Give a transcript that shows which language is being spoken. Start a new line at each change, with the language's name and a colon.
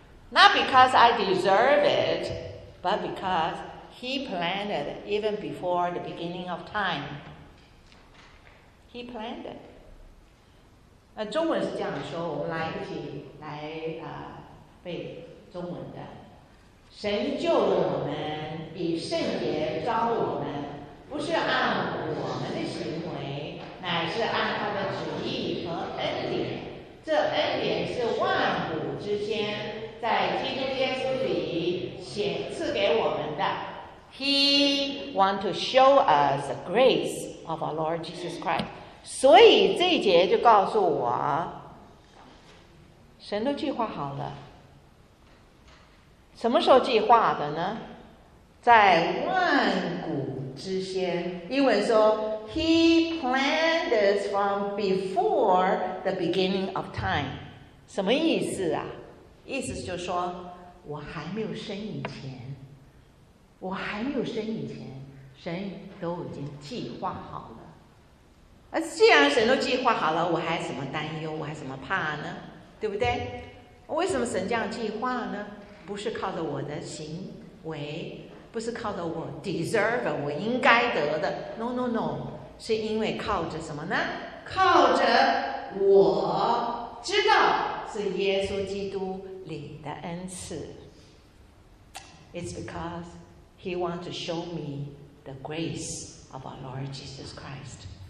English: Not because I deserve it, but because he planned it even before the beginning of time. He planned it.
Chinese: 中文是这样说，我们来一起来背中文的。神救了我们，以圣洁召我们，不是按我们的行为，乃是按他的旨意和恩典，这恩典是万古之先在基督耶稣里显赐给我们的。
English: He want to show us the grace of our Lord Jesus Christ.
Chinese: 所以这一节就告诉我，神都计划好了。什么时候计划的呢？在万古之先，英文说 He planned this from before the beginning of time. 什么意思啊？意思就是说，我还没有生以前，我还没有生以前，神都已经计划好了。那既然神都计划好了，我还什么担忧，我还什么怕呢？对不对？为什么神这样计划呢？不是靠着我的行为，不是靠着我 deserve 我应该得的， no no no，是因为靠着什么呢？靠着我知道是耶稣基督里的恩赐。
English: It's because he wants to show me the grace of our Lord Jesus Christ.